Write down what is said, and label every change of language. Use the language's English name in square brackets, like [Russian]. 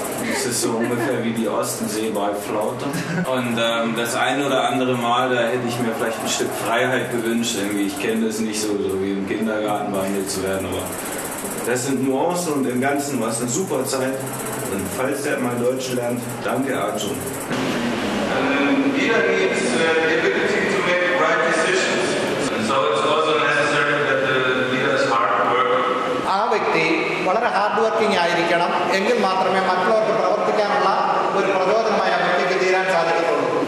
[German] Das ist so ungefähr wie die Ostensee bei Flaute. Und das ein oder andere Mal, da hätte ich mir vielleicht ein Stück Freiheit gewünscht. Irgendwie, ich kenne das nicht so, so wie im Kindergarten behandelt zu werden, aber... Das sind Nuancen und im Ganzen war es eine super Zeit. Und falls der mal Deutsch lernt, danke Arjun. Jeder [English] needs the ability to make right decisions. And so it's also necessary that the leader is hard work. [Malayalam] Ah, Vikti, വളരെ hard working ആയിരിക്കണം എങ്കിൽ മാത്രമേ മറ്റുള്ളവർക്ക് പ്രവർത്തിക്കാനുള്ള ഒരു പ്രചോദനമായി അവർക്ക് തീരാൻ സാധിക്കുള്ളൂ.